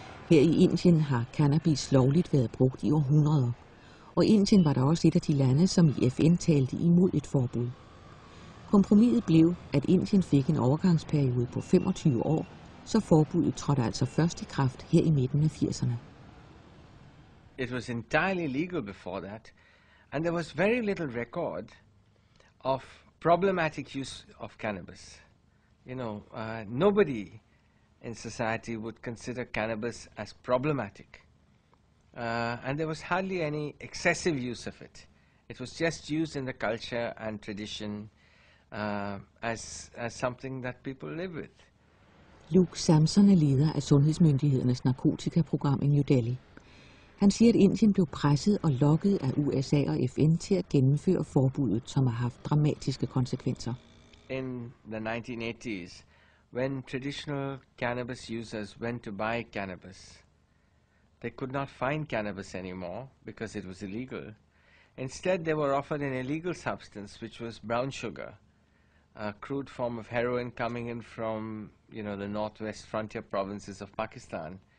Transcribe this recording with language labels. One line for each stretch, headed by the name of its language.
Danish: Her i Indien har cannabis lovligt været brugt i århundreder. Og Indien var der også et af de lande, som i FN talte imod et forbud. Kompromiset blev, at Indien fik en overgangsperiode på 25 år, så forbuddet trådte altså først i kraft her i midten af 80'erne.
English: It was entirely legal before that, and there was very little record of problematic use of cannabis. You know, nobody in society would consider cannabis as problematic. And there was hardly any excessive use of it. It was just used in the culture and tradition as something that people live with.
Danish: Luke Samson er leder af Sundhedsmyndighedernes narkotikaprogram i New Delhi. Han siger, at Indien blev presset og lokket af USA og FN til at gennemføre forbuddet, som har haft dramatiske konsekvenser.
English: In the 1980s, when traditional cannabis users went to buy cannabis, they could not find cannabis anymore because it was illegal. Instead, they were offered an illegal substance, which was brown sugar, a crude form of heroin coming in from, you know, the northwest frontier provinces of Pakistan.